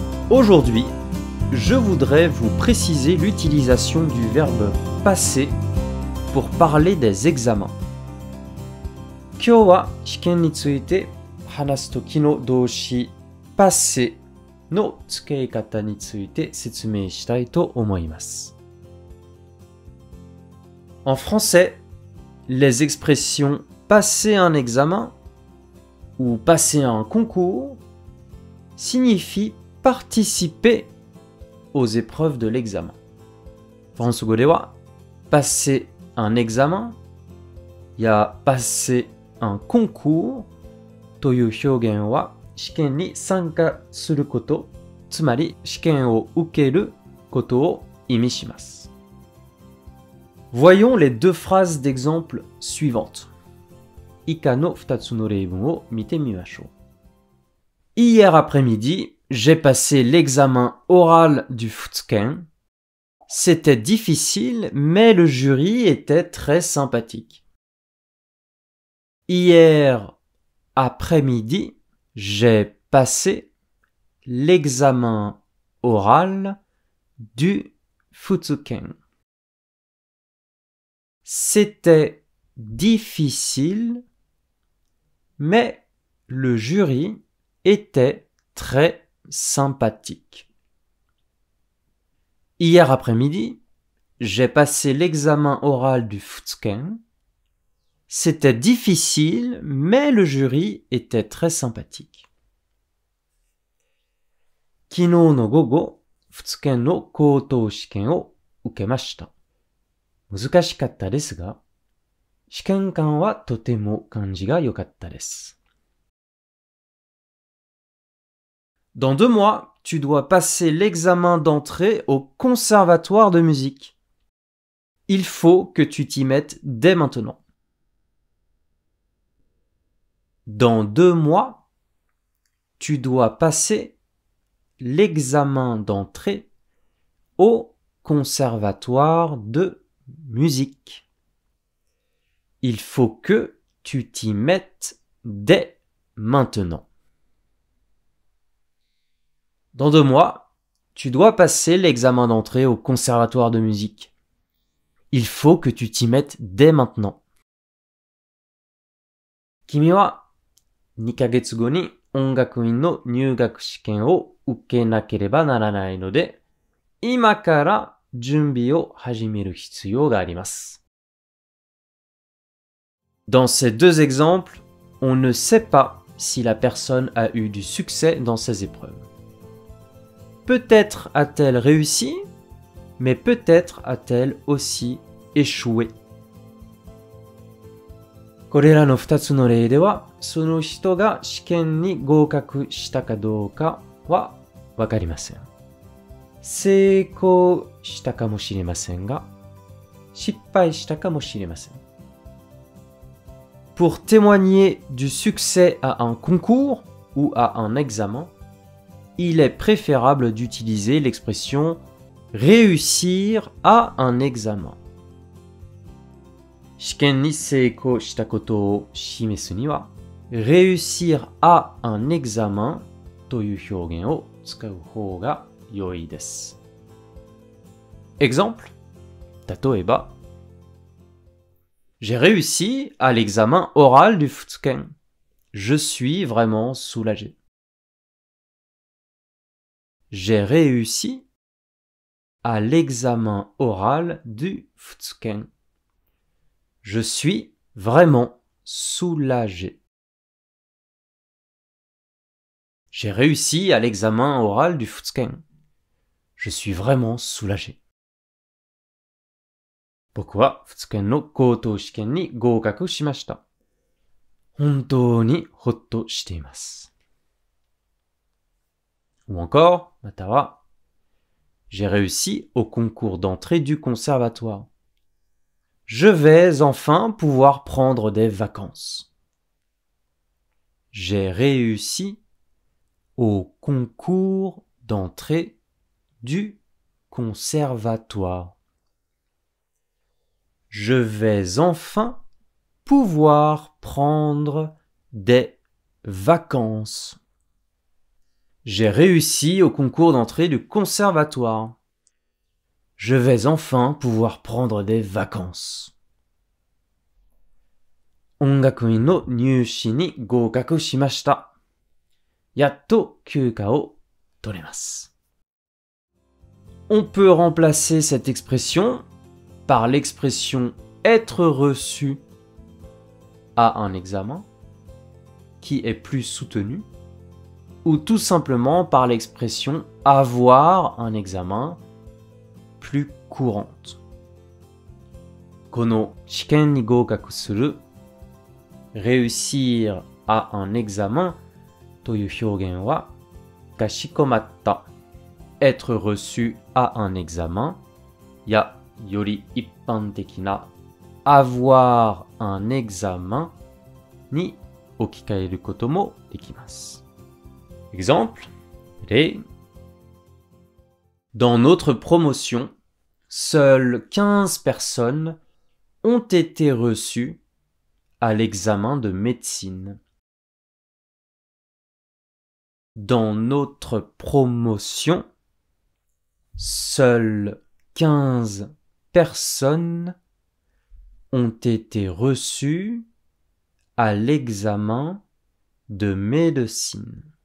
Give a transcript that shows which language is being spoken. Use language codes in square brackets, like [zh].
[fr] Aujourd'hui, je voudrais vous préciser l'utilisation du verbe passer pour parler des examens. [ja] 今日は試験について話すときの動詞 passer の付け方について説明したいと思います。 [fr] En français, les expressions passer un examen ou passer un concours signifient participer aux épreuves de l'examen. François Godewa, passer un examen, y a passer un concours, [ja] という表現は試験に参加すること、つまり試験を受けることを意味します。 [fr] Voyons les deux phrases d'exemple suivantes. [ja] 以下の2つの例文を見てみましょう。 [fr] Hier après-midi,J'ai passé l'examen oral du Futsken. C'était difficile, mais le jury était très sympathique. Hier après-midi, j'ai passé l'examen oral du Futsken. C'était difficile, mais le jury était très sympathique. Sympathique. Hier après-midi, j'ai passé l'examen oral du Futsken. C'était difficile, mais le jury était très sympathique. [ja] 昨日の午後、Futsken の口頭試験を受けました。難しかったですが、試験官はとても感じが良かったです。 [fr] Dans deux mois, tu dois passer l'examen d'entrée au conservatoire de musique. Il faut que tu t'y mettes dès maintenant. Dans deux mois, tu dois passer l'examen d'entrée au conservatoire de musique. Il faut que tu t'y mettes dès maintenant. Dans deux mois, tu dois passer l'examen d'entrée au conservatoire de musique. Il faut que tu t'y mettes dès maintenant. [ja] 君は2ヶ月後に音楽院の入学試験を受けなければならないので、今から準備を始める必要があります。 [fr] Dans ces deux exemples, on ne sait pas si la personne a eu du succès dans ses épreuves. Peut-être a-t-elle réussi, mais peut-être a-t-elle aussi échoué. [ja] これらの2つの例では、その人が試験に合格したかどうかはわかりません。成功したかもしれませんが、失敗したかもしれません。 [fr] Pour témoigner du succès à un concours ou à un examen,Il est préférable d'utiliser l'expression réussir à un examen. [ja] 試験に成功したことを示すには、réussir à un examen という表現を使う方が良いです。 [fr] Exemple, [ja] 例えば、 [fr] J'ai réussi à l'examen oral du Futsken. Je suis vraiment soulagé. J'ai réussi à l'examen oral du Futsken. Je suis vraiment soulagé. J'ai réussi à l'examen oral du Futsken. Je suis vraiment soulagé. [ja] 僕は2日間の高等試験に合格しました。本当にホッとしています。 [fr] Ou encore, [ja] または、 [fr] J'ai réussi au concours d'entrée du conservatoire. Je vais enfin pouvoir prendre des vacances. J'ai réussi au concours d'entrée du conservatoire. Je vais enfin pouvoir prendre des vacances. J'ai réussi au concours d'entrée du conservatoire. Je vais enfin pouvoir prendre des vacances. [ja] 音楽院の入試に合格しました。やっと休暇を取れます。 [fr] On peut remplacer cette expression par l'expression être reçu à un examen qui est plus soutenu ou tout simplement par l'expression avoir un examen plus courante. [ja] この試験に合格する réussir à un examen という表現は、かしこまった être reçu à un examen やより一般的な avoir un examen に置き換えることもできます。 [fr] Exemple, les... Dans notre promotion, seules 15 personnes ont été reçues à l'examen de médecine. Dans notre promotion, seules 15 personnes ont été reçues à l'examen de médecine.